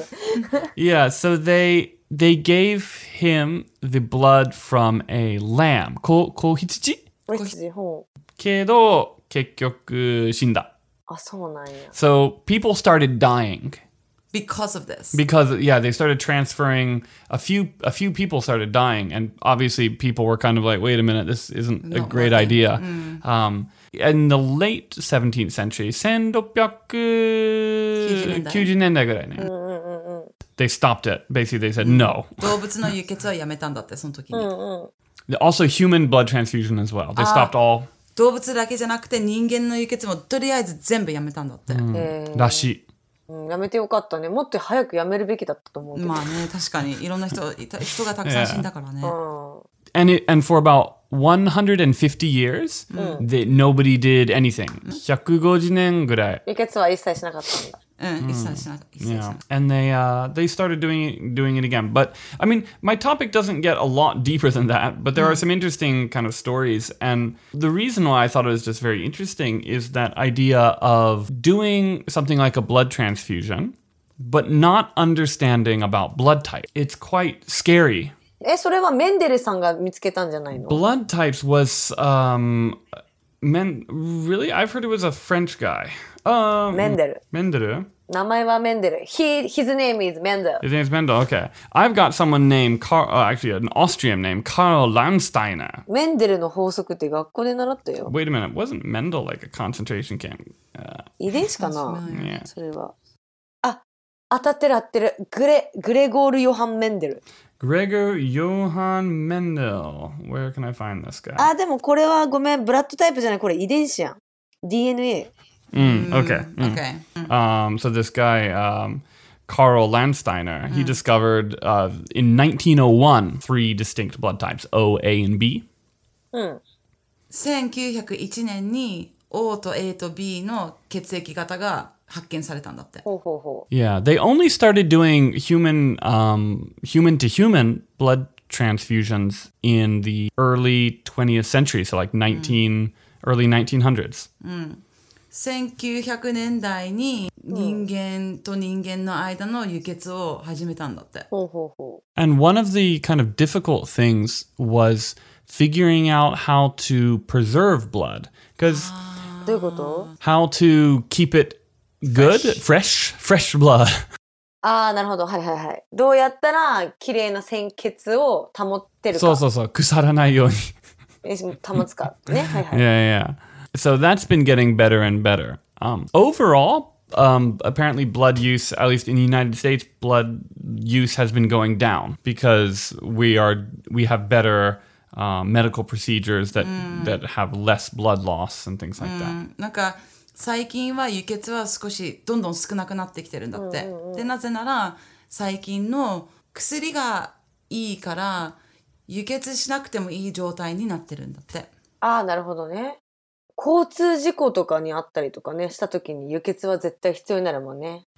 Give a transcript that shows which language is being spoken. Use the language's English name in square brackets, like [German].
[Japanese] よ。 [English] Yeah, so they gave him the blood from a lamb. [Japanese] 子羊?けど、結局死んだ。あ、そうなんや。 [English] So, people started dying. Because of this. Because, yeah, they started transferring. A few people started dying. And obviously, people were kind of like, wait a minute, this isn't a great idea. In the late 17th century, [Japanese] 1690年代ぐらいね。 [English] They stopped it. Basically, they said no. [Japanese] 動物の輸血はやめたんだって、その時に。 [English] Also, human blood transfusion as well. They stopped all. [Japanese] 動物だけじゃなくて、人間の輸血もとりあえず全部やめたんだって。らしい。やめてよかったね。もっと早くやめるべきだったと思うけど。まあね、確かに。いろんな人がたくさん死んだからね。 [English] And for about 150 years, nobody did anything. [Japanese] 150年ぐらい。輸血は一切しなかったんだ。 [English] Yeah, and they started doing it again. But I mean, my topic doesn't get a lot deeper than that. But there are some interesting kind of stories, and the reason why I thought it was just very interesting is that idea of doing something like a blood transfusion, but not understanding about blood type. It's quite scary. [Japanese] それはメンデルさんが見つけたんじゃないの? [English] Blood types was really? I've heard it was a French guy. Mendel. Mendel. [Japanese] 名前は [English] Mendel. His name is Mendel. His name is Mendel, okay. I've got someone named Carl, actually an Austrian name, Karl Landsteiner. [Japanese] Mendel の法則って学校で習ったよ。 [English] Wait a minute, wasn't Mendel like a concentration camp? [Japanese] 遺伝子かな? [English] Yeah. [Japanese] それは。あ、当たってる当たってる。グレゴール・ヨハン・メンデル。 [English] Gregor Johann Mendel. Where can I find this guy? [Japanese] Ah, でもこれはごめん、ブラッドタイプじゃない、これ遺伝子やん。 DNA。 [English] So this guy, Karl Landsteiner, he discovered in 1901 three distinct blood types, O, A, and B. [Japanese] 1901年に O と A と B の血液型が発見されたんだって。ほうほうほう。 [English] Yeah, they only started doing human, human to human blood transfusions in the early 20th century, so like 19, early 1900s. [Japanese] うん。 1900年代に人間と人間の間の輸血を始めたんだって。ほうほうほう。 [English] And one of the kind of difficult things was figuring out how to preserve blood. Because how to keep it good, fresh blood. [Japanese] ああ、なるほど。はいはいはい。どうやったら綺麗な鮮血を保ってるか。そうそうそう。腐らないように。保つか。ね。はいはい。 [English] Yeah, yeah. So that's been getting better and better. Overall, apparently blood use, at least in the United States, blood use has been going down because we have better medical procedures that have less blood loss and things like that. [Japanese] なんか最近は輸血は少しどんどん少なくなってきてるんだって。で、なぜなら最近の薬がいいから輸血しなくてもいい状態になってるんだって。ああ、なるほどね。交通事故とかにあったりとかね、したときに輸血は絶対必要になるもんね。